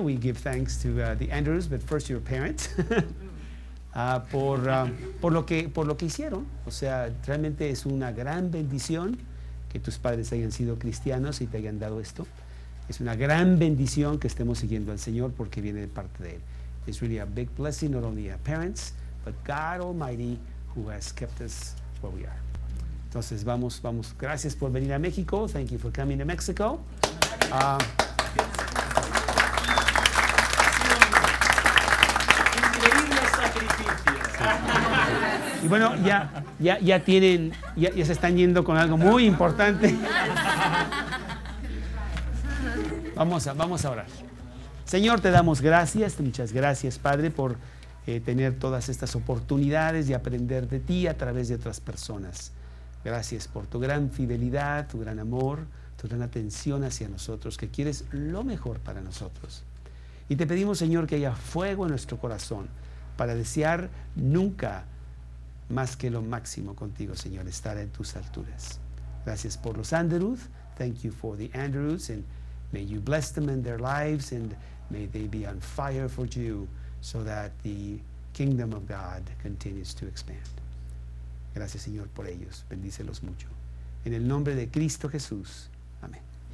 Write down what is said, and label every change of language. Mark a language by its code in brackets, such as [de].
[en] We give thanks to the Anderus, but first your parents, [es] por lo que hicieron. O sea, realmente es una gran bendición que tus padres hayan sido cristianos y te hayan dado esto. Es una gran bendición que estemos siguiendo al Señor porque viene de parte de Él. [en] It's really a big blessing, not only our parents, but God Almighty, who has kept us where we are. [es] Entonces, vamos. Gracias por venir a México. [en] Thank you for coming to Mexico. [es] Increíble sacrificio. Y bueno, ya tienen, ya se están yendo con algo muy importante. Vamos a orar. Señor, te damos gracias. Muchas gracias, Padre, por tener todas estas oportunidades de aprender de ti a través de otras personas. Gracias por tu gran fidelidad, tu gran amor, tu gran atención hacia nosotros, que quieres lo mejor para nosotros. Y te pedimos, Señor, que haya fuego en nuestro corazón para desear nunca más que lo máximo contigo, Señor, estar en tus alturas. Gracias por los Anderuth. [en] Thank you for the Anderuth, and may you bless them in their lives, and may they be on fire for you so that the kingdom of God continues to expand. [es] Gracias, Señor, por ellos. Bendícelos mucho. En el nombre de Cristo Jesús. Amén.